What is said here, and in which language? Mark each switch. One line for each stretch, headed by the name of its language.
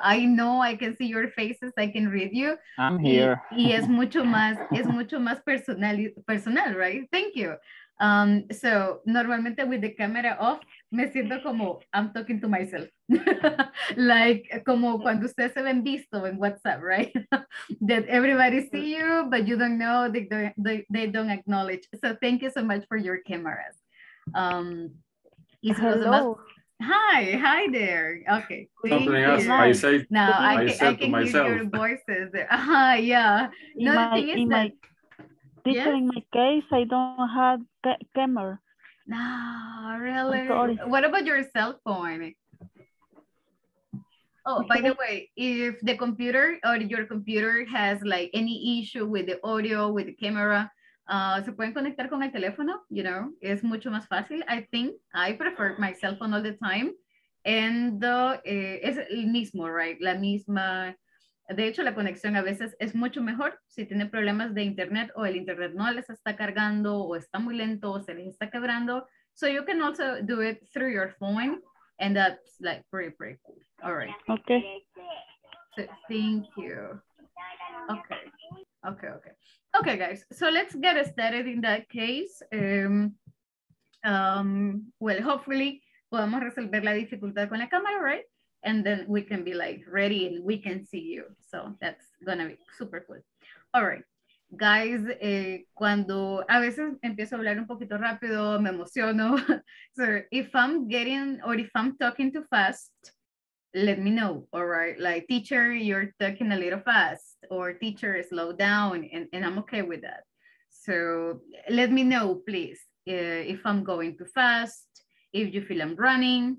English: I know, I can see your faces. I can read you. I'm here.
Spanish: Y es mucho más personal, right?
English: Thank you. So normalmente with the camera off,
Spanish: me siento como
English: I'm talking to myself.
Spanish: Like como cuando ustedes se ven visto en WhatsApp, right?
English: That everybody see you, but you don't know, they don't acknowledge. So thank you so much for your cameras. Hi there. Okay. Teacher, in my case, I don't have camera. No, really? What about your cell phone? Oh, by the way, if the computer or your computer has like any issue with the audio, with the camera,
Spanish: se pueden conectar con el teléfono,
English: you know,
Spanish: es mucho más fácil.
English: I think I prefer my cell phone all the time.
Spanish: And es el mismo, right? La misma. De hecho, la conexión a veces es mucho mejor si tiene problemas de internet o el internet no les está cargando o está muy lento o se les está quebrando.
English: So you can also do it through your phone and that's like pretty, pretty cool. All right. Okay. So, thank you. Okay, guys. So let's get started in that case. Well, hopefully,
Spanish: podemos resolver la dificultad con la cámara,
English: right? And then we can be like ready and we can see you. So that's gonna be super cool. All right, guys,
Spanish: cuando a veces empiezo a hablar un poquito rápido, me emociono.
English: So if I'm getting, or if I'm talking too fast, let me know, all right? Like teacher, you're talking a little fast or teacher, slow down and I'm okay with that. So let me know, please, if I'm going too fast, if you feel I'm running.